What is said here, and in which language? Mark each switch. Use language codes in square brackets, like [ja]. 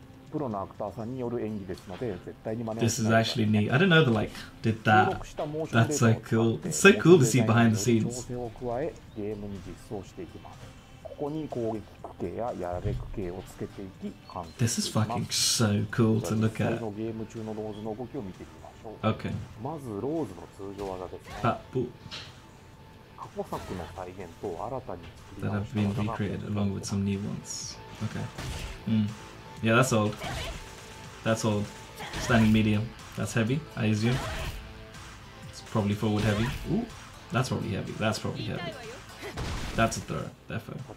[ja] プロのアクターさんによる演技ですので、絶対に真似しない。 [en] This is actually neat. I didn't know they like did that. That's so cool. It's so cool to see behind the scenes. [ja] 調整を加え、ゲームに実装していきます。ここに攻撃系ややられ系をつけていき、完成。 [en] This is fucking so cool to look at. [ja] のゲーム中のローズの動きを見ていきましょう。 [en] Okay. [ja] まずローズの通常技ですね。バッポ。過去作の再現と新たに作り直した技が。 [en] That have been recreated along with some new ones. Okay. Yeah, that's old. That's old. Standing medium. That's heavy, I assume. It's probably forward heavy. Ooh, that's probably heavy. That's probably heavy. That's a throw, definitely.